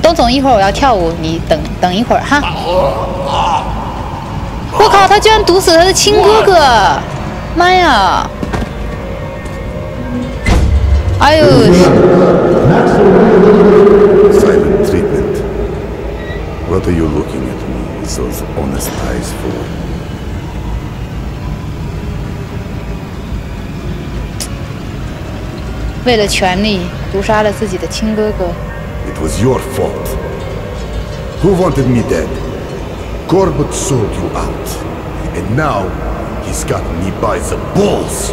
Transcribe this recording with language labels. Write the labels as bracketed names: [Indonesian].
[Chinese] 东总一会儿我要跳舞，你等一会儿哈。我靠，他居然毒死他的亲哥哥，妈呀，哎呦， [English] silent treatment. What are you looking at me with those honest eyes for? [Chinese] 为了权力毒杀了自己的亲哥哥。 [English] It was your fault. Who wanted me dead? Corbett sold you out, and now he's got me by the balls.